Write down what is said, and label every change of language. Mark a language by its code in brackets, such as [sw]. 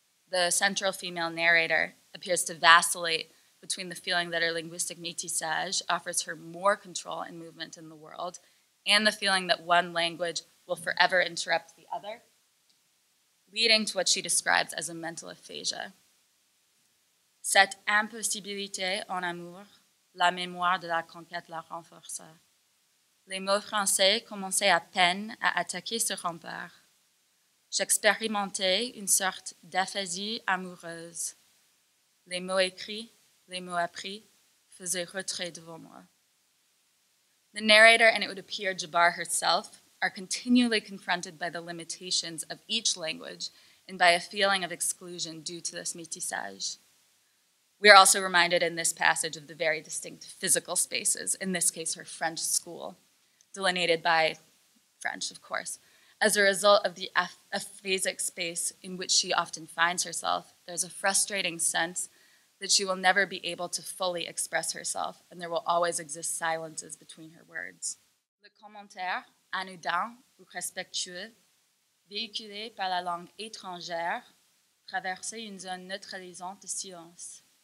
[en] The central female narrator appears to vacillate between the feeling that her linguistic métissage offers her more control and movement in the world, and the feeling that one language will forever interrupt the other, leading to what she describes as a mental aphasia. [fr] Cette impossibilité en amour, la mémoire de la conquête la renforce. Les mots français commençaient à peine à attaquer ce rempart. J'expérimentais une sorte d'aphasie amoureuse. Les mots écrits, les mots appris, faisaient retrait devant moi. [en] The narrator, and it would appear Djebar herself, are continually confronted by the limitations of each language and by a feeling of exclusion due to this métissage. We are also reminded in this passage of the very distinct physical spaces, in this case her French school, delineated by French, of course. As a result of the aphasic space in which she often finds herself, there's a frustrating sense that she will never be able to fully express herself, and there will always exist silences between her words. [fr] Le commentaire anodin ou respectueux, véhiculé par la langue étrangère, traversait une zone neutralisante de silence.